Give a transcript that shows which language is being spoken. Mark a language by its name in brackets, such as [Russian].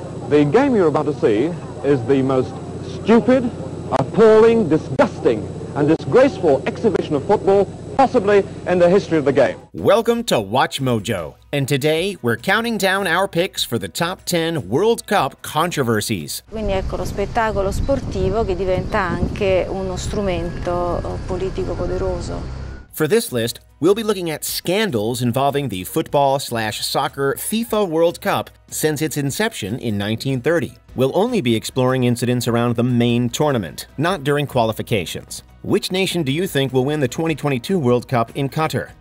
[English] The game you're about to see is the most stupid, appalling, disgusting, and disgraceful exhibition of football possibly in the history of the game. Welcome to Watch Mojo, and today we're counting down our picks for the top 10 World Cup controversies. [Italian] Quindi ecco lo spettacolo sportivo che diventa anche uno strumento politico poderoso. [English] For this list, we'll be looking at scandals involving the football/soccer FIFA World Cup since its inception in 1930. We'll only be exploring incidents around the main tournament, not during qualifications. Which nation do you think will win the 2022 World Cup in Qatar?